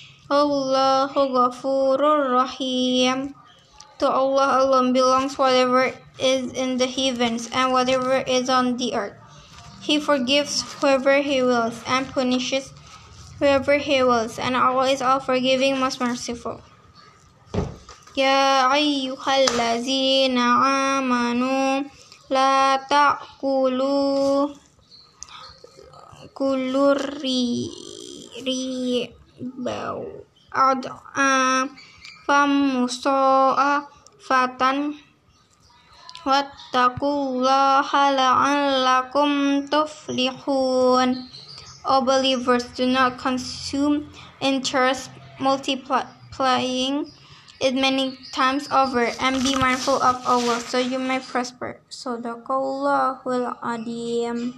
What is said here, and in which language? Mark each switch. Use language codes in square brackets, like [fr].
[ar] اللَّهُ غَفُورٌ رَحِيمٌ. [en] To Allah alone belongs whatever is in the heavens and whatever is on the earth. He forgives whoever He wills and punishes whoever he wills, and Allah is all forgiving, most merciful. [ar] يا أيها الذين آمنوا لا تأكلوا كل الربا أضعافا مضاعفة واتقوا الله لعلكم تفلحون. [en] O believers, do not consume interest multiplying it many times over, and be mindful of Allah so you may prosper. [ar] Sadaqallahul Adhim.